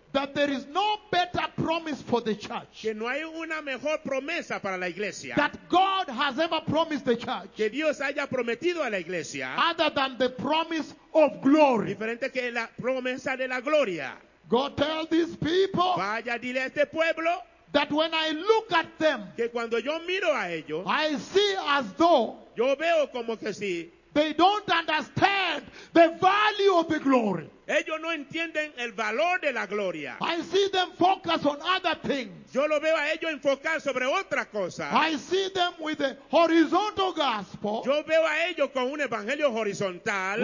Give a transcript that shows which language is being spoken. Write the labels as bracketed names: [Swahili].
[English] that there is no better promise for the church, [Spanish] que no hay una mejor promesa para la iglesia, [English] that God has ever promised the church, [Spanish] que Dios haya prometido a la iglesia, [English] other than the promise of glory, [Spanish] diferente que la promesa de la gloria. [English] Go tell these people, [Spanish] vaya, dile a este pueblo, [English] that when I look at them, [Spanish] que cuando yo miro a ellos, [English] I see as though, [Spanish] yo veo como que sí, [English] they don't understand the value of the glory. [Spanish] Ellos no entienden el valor de la gloria. [English] I see them focus on other things. [Spanish] Yo lo veo a ellos enfocar sobre otra cosa. [English] I see them with the horizontal gospel. [Spanish] Yo veo a ellos con un evangelio horizontal.